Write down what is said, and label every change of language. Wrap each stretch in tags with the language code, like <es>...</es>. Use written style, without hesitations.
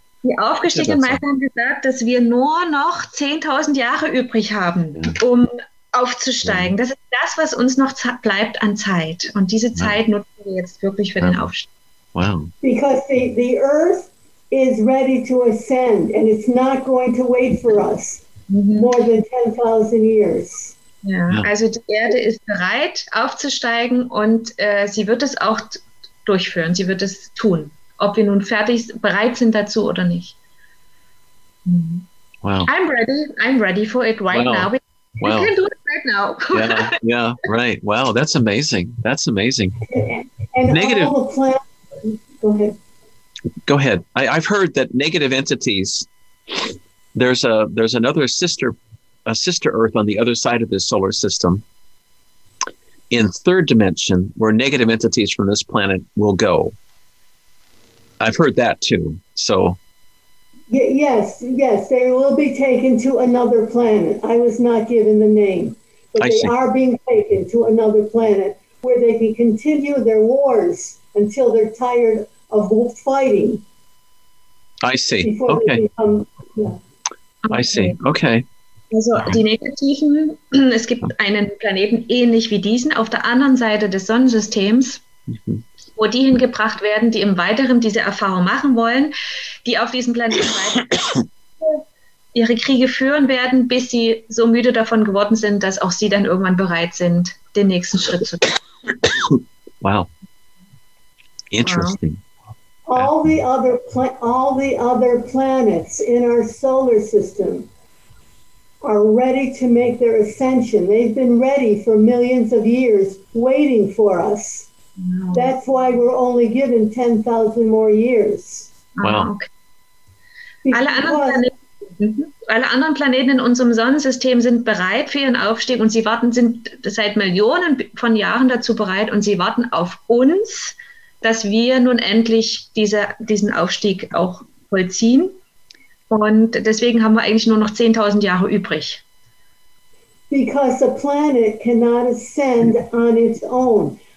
<de>Die aufgestiegenen Meister haben gesagt, dass wir nur noch 10,000 Jahre übrig haben, um aufzusteigen. Das ist das, was uns noch bleibt an Zeit. Und diese Zeit nutzen wir jetzt wirklich für den Aufstieg. Wow.</de> <en>Because the Earth is ready to ascend and it's not going to wait for us. More than 10,000 years.</en> <de>Ja, also die Erde ist bereit aufzusteigen und sie wird es auch durchführen. Sie wird es tun, ob wir nun fertig bereit sind dazu oder nicht. Wow.</de> <en>I'm ready for it right now. We can do it right now. yeah, right. Wow, that's amazing. That's amazing. And negative. Go ahead. I've heard that negative entities. There's another sister Earth on the other side of this solar system in third dimension where negative entities from this planet will go. I've heard that too. So, yes, they will be taken to another planet. I was not given the name, but they are being taken to another planet where they can continue their wars until they're tired of fighting. I see. Okay. I see. Okay.</en> <de>Also die Negativen, es gibt einen Planeten ähnlich wie diesen auf der anderen Seite des Sonnensystems, mm-hmm. wo die hingebracht werden, die im Weiteren diese Erfahrung machen wollen, die auf diesem Planeten ihre Kriege führen werden, bis sie so müde davon geworden sind, dass auch sie dann irgendwann bereit sind, den nächsten Schritt zu tun.</de> <en>Wow. Interesting. Wow. All the other planets in our solar system are ready to make their ascension. They've been ready for millions of years, waiting for us. Wow. That's why we're only given 10,000 more years. Wow.</en> <de>Alle anderen Planeten in unserem Sonnensystem sind bereit für ihren Aufstieg und sie warten, sind seit Millionen von Jahren dazu bereit und sie warten auf uns, dass wir nun endlich diesen Aufstieg auch vollziehen. Und deswegen haben wir eigentlich nur noch 10,000 Jahre übrig.</de> <en>Because the planet cannot ascend on its own.</en>